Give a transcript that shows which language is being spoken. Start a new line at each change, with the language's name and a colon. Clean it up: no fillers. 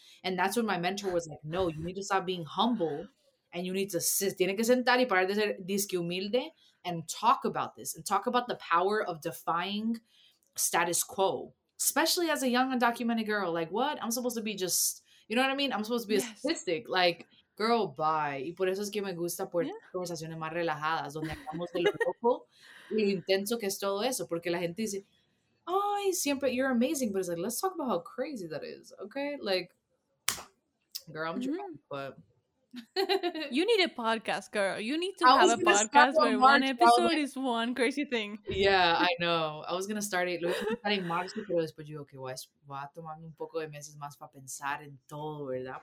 English: And that's when my mentor was like, no, you need to stop being humble and you need to
Spanish: tiene que sentar y parar de ser disque humilde
English: and talk about this and talk about the power of defying status quo, especially as a young undocumented girl. Like, what? I'm supposed to be just, you know what I mean? I'm supposed to be a statistic. Like, girl, bye.
Spanish: Y por eso es que me gusta por conversaciones más relajadas, donde hablamos de lo loco y lo intenso que es todo eso. Porque la gente dice, ay, siempre,
English: you're amazing. But it's like, let's talk about how crazy that is, okay? Like, girl, I'm drunk, but... You need a podcast, girl. You need to have a podcast where one episode is one crazy thing. Yeah, I know. I was going to start it.
Spanish: Lo voy a empezar en marzo, pero después yo digo que voy a tomarme un poco de meses más para pensar en todo, ¿verdad?